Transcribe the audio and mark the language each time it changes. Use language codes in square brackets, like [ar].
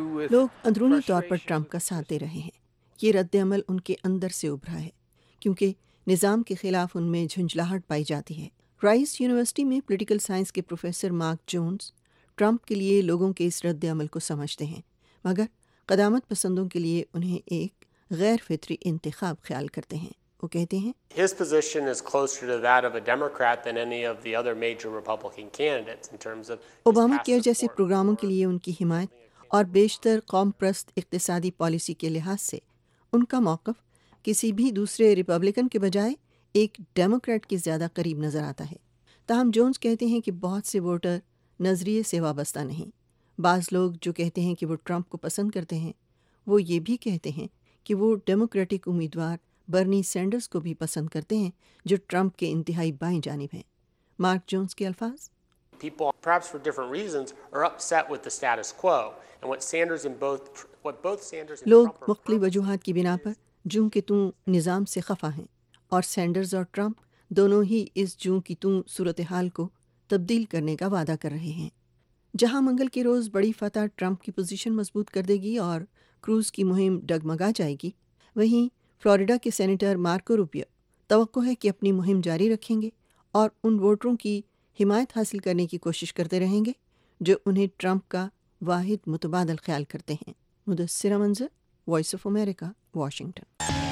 [ur] لوگ اندرونی طور پر ٹرمپ کا ساتھ دے رہے ہیں، یہ رد عمل ان کے اندر سے ابھرا ہے کیونکہ نظام کے خلاف ان میں جھنجھلاہٹ پائی جاتی ہے۔ رائس یونیورسٹی میں پولیٹیکل سائنس کے پروفیسر مارک جونز ٹرمپ کے لیے لوگوں کے اس رد عمل کو سمجھتے ہیں، مگر قدامت پسندوں کے لیے انہیں ایک غیر فطری انتخاب خیال کرتے ہیں۔ وہ کہتے ہیں [en] His position is closer to that of a Democrat than any of the other major Republican candidates in terms of [ur] Obama care جیسے پروگراموں کے لیے ان کی حمایت اور بیشتر قوم پرست اقتصادی پالیسی کے لحاظ سے ان کا موقف کسی بھی دوسرے ریپبلکن کے بجائے ایک ڈیموکریٹ کے زیادہ قریب نظر آتا ہے۔ تاہم جونز کہتے ہیں کہ بہت سے ووٹر نظریے سے وابستہ نہیں۔ بعض لوگ جو کہتے ہیں کہ وہ ٹرمپ کو پسند کرتے ہیں وہ یہ بھی کہتے ہیں کہ وہ ڈیموکریٹک امیدوار برنی سینڈرز کو بھی پسند کرتے ہیں جو ٹرمپ کے انتہائی بائیں جانب ہیں۔ مارک جونز کے الفاظ [en] People, perhaps for different reasons, are upset with the status quo. And what Sanders and both, Sanders and [ur] لوگ مختلف وجوہات کی بنا پر جوں کہ توں نظام سے خفا ہیں، اور سینڈرز اور ٹرمپ دونوں ہی اس جوں کی توں صورتحال کو تبدیل کرنے کا وعدہ کر رہے ہیں۔ جہاں منگل کے روز بڑی فتح ٹرمپ کی پوزیشن مضبوط کر دے گی اور کروز کی مہم ڈگمگا جائے گی، وہیں فلوریڈا کے سینیٹر مارکو روبیو توقع ہے کہ اپنی مہم جاری رکھیں گے اور ان ووٹروں کی حمایت حاصل کرنے کی کوشش کرتے رہیں گے جو انہیں ٹرمپ کا واحد متبادل خیال کرتے ہیں۔ مدثرہ منظر، وائس آف امریکہ، واشنگٹن۔